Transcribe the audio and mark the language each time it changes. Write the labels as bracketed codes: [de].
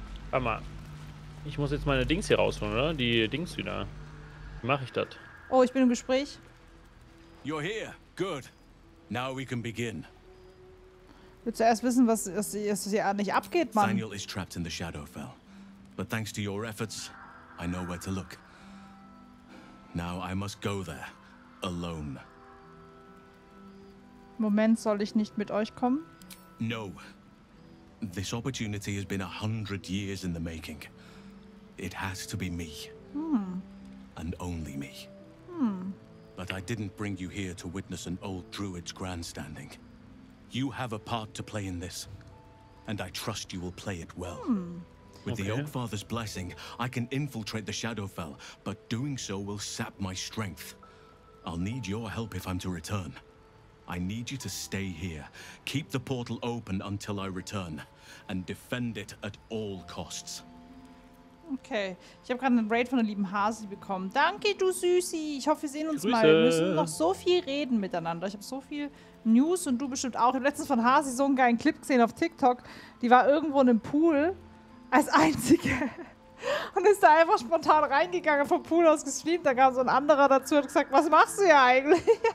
[de] Warte mal. Ich muss jetzt meine Dings hier rausholen, oder? Die Dings wieder. Wie mache ich das? Oh, ich bin im Gespräch. [en] You're here. Good. Now we can begin. [de] Willst du erst wissen, was hier nicht abgeht, Mann? [en] Daniel is trapped in the Shadowfell. But thanks to your efforts, I know where to look. Now I must go there, alone. [de] Moment, soll ich nicht mit euch kommen? [en] No. This opportunity has been 100 years in the making. It has to be me. Hmm. And only me. Hmm. But I didn't bring you here to witness an old druid's grandstanding. You have a part to play in this, and I trust you will play it well. Hmm. With okay. the Oakfather's blessing, I can infiltrate the Shadowfell, but doing so will sap my strength. I'll need your help if I'm to return. I need you to stay here. Keep the portal open until I return and defend it at all costs. [de] Okay, ich habe gerade einen Raid von der lieben Hasi bekommen. Danke, du Süßi. Ich hoffe, wir sehen uns mal. Wir müssen noch so viel reden miteinander. Ich habe so viel News und du bestimmt auch. Ich habe letztens von Hasi so einen geilen Clip gesehen auf TikTok. Die war irgendwo in einem Pool als Einzige und ist da einfach spontan reingegangen, vom Pool aus gestreamt. Da kam so ein anderer dazu und hat gesagt, was machst du hier eigentlich?